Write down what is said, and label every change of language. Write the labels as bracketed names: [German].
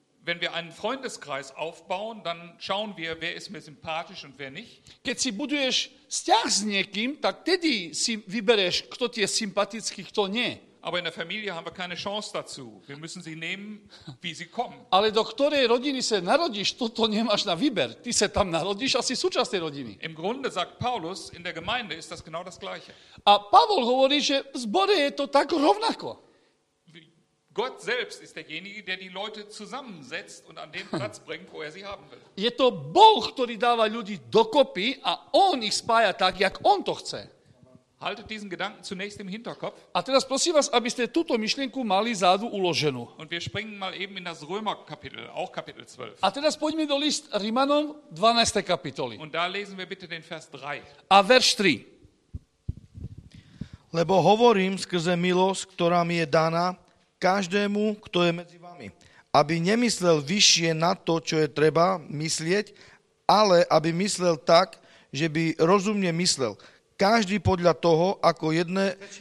[German] Wenn wir einen Freundeskreis aufbauen, dann schauen wir, wer ist mir sympathisch und wer nicht. [Slovak] Keď si buduješ vzťah s niekým, tak tedy si vybereš, kto ti je sympatický, kto nie. [German] Aber in der Familie haben wir keine Chance dazu. Wir müssen sie nehmen, wie sie kommen. [Slovak] Ale do ktorej rodiny sa narodíš, toto nemáš na výber. Ty sa tam narodíš a si súčasť tej rodiny. [German] Im Grunde sagt Paulus, in der Gemeinde ist das genau das gleiche. [Slovak] A Pavol hovorí, že v zbore je to tak rovnako. [German] Gott selbst ist derjenige, der die Leute zusammensetzt und an den Platz bringt, wo er sie haben will. [Slovak] Je to Boh, ktorý dáva ľudí dokopy a on ich spája tak, jak on to chce. [German] Haltet diesen Gedanken zunächst im Hinterkopf. [Slovak] A teraz prosím vás, aby ste túto myšlienku mali zádu uloženú. [German] Und wir springen mal eben in das Römer Kapitel, auch Kapitel 12. [Slovak] A teraz poďme do list Rimanom 12. kapitoli. [German] Und da lesen wir bitte den Vers 3. [Slovak] A verš 3. Lebo hovorím skrze milosť, ktorá mi je daná každému, kto je medzi vami, aby nemyslel vyššie na to, čo je treba myslieť, ale aby myslel tak, že by rozumne myslel. Každý podľa toho, ako jedné...